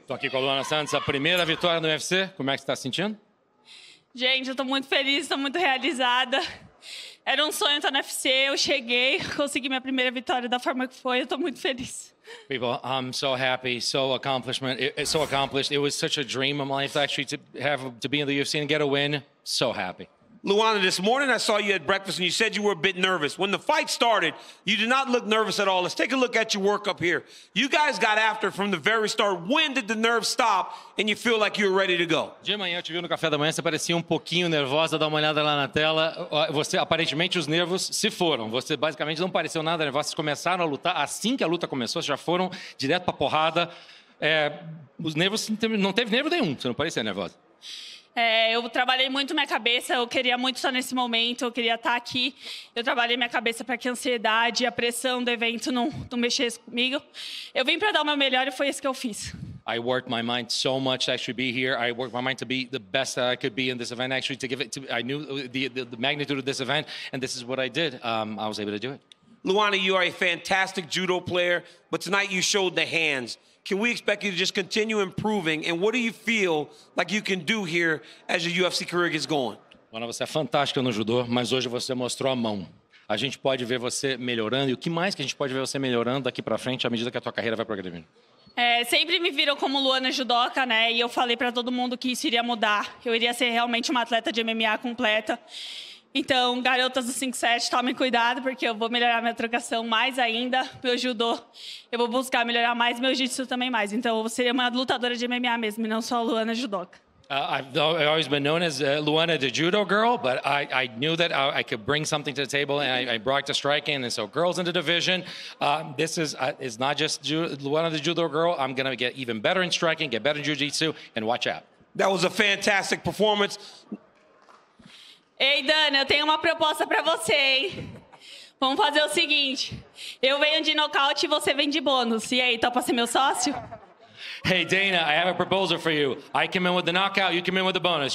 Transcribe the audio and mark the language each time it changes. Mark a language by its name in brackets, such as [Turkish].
[Portuguese] Tô aqui com a Luana Santos, a primeira vitória no UFC. Como é que você tá sentindo? Gente, eu tô muito feliz, tô muito realizada. Era um sonho estar no UFC, eu cheguei, consegui minha primeira vitória da forma que foi, eu tô muito feliz. [English] People, I'm so happy, so accomplished. It was such a dream of mine actually to be in the UFC and get a win. So happy. Luana, this morning I saw you at breakfast and you said you were a bit nervous. When the fight started, you did not look nervous at all. Let's take a look at your work up here. You guys got after from the very start. When did the nerves stop and you feel like you were ready to go? [Portuguese] De manhã, eu te vi no café da manhã, você parecia pouquinho nervosa. Dá uma olhada lá na tela. Você, aparentemente, os nervos se foram. Você, basicamente, não pareceu nada nervosa. Vocês começaram a lutar. Assim que a luta começou, vocês já foram direto pra porrada. Os nervos, não teve nervo nenhum. Você não parecia nervosa. Eu trabalhei muito minha cabeça, eu queria muito estar nesse momento, eu queria estar aqui. Eu trabalhei minha cabeça para que a ansiedade e a pressão do evento não mexesse comigo. Eu vim para dar o meu melhor e foi isso que eu fiz. [English] I worked my mind so much to actually be here. I worked my mind to be the best that I could be in this event, actually, to give it to, I knew the magnitude of this event, and this is what I did. I was able to do it. Luana, you are a fantastic judo player, but tonight you showed the hands. Can we expect you to just continue improving? And what do you feel like you can do here as your UFC career gets going? [Portuguese] Luana, você é fantástica no judô, mas hoje você mostrou a mão. A gente pode ver você melhorando. E o que mais que a gente pode ver você melhorando daqui para frente à medida que a tua carreira vai progredindo? Sempre me viram como Luana judoca, né? E eu falei para todo mundo que isso iria mudar. Eu iria ser realmente uma atleta de MMA completa. Então, garotas do 5-7, tomem cuidado, porque eu vou melhorar minha trocação mais ainda, meu judô. Eu vou buscar melhorar mais meu jiu-jitsu também mais. Então, eu seria uma lutadora de MMA mesmo, e não só a Luana judoka. [English] I've always been known as Luana the judo girl, but I knew that I could bring something to the table, and I brought the striking, and so girls in the division. This is not just Luana the judo girl. I'm going to get even better in striking, get better in jiu-jitsu, and watch out. That was a fantastic performance. [Portuguese] Ei, Dana, eu tenho uma proposta pra você, hein? Vamos fazer o seguinte. Eu venho de nocaute e você vem de bônus. E aí, topa ser meu sócio? [English] Hey, Dana, I have a proposal for you. I came in with the knockout, you came in with the bonus.